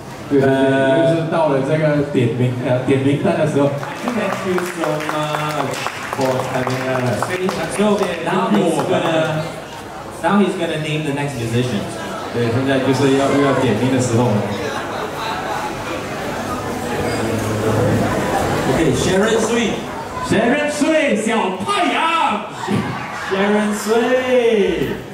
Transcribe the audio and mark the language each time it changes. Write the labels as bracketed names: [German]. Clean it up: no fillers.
[Chinese] 就是到了这个点名单的时候 [English] Thank you so much for having us. So now he's gonna name the next musician. [Chinese] 对，现在就是要点名的时候了。 [English] OK, Sharon Sui [Chinese] 小太阳 [English] Sharon Sui Aaron Sui。